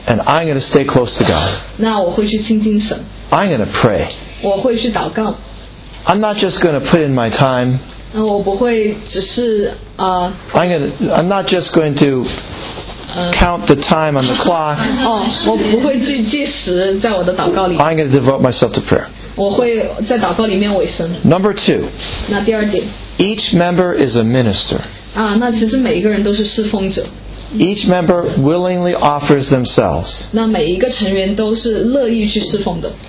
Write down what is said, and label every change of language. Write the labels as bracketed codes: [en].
[en] And I'm going to stay close to God. [zh] 那我会去亲近神。 [en] I'm going to pray. [zh] 我会去祷告。 [en] I'm not just going to put in my time. [zh] 那我不会只是 [en] I'm not just going to. Count the time on the clock. [zh] 我不会去计时在我的祷告里。 [en] I'm going to devote myself to prayer. [zh] 我会在祷告里面委身。 [en] Number two. [zh] 那第二点。 [en] Each member is a minister. [zh] 那其实每一个人都是侍奉者。 [en] each member willingly offers themselves. [zh] 那每一个成员都是乐意去侍奉的。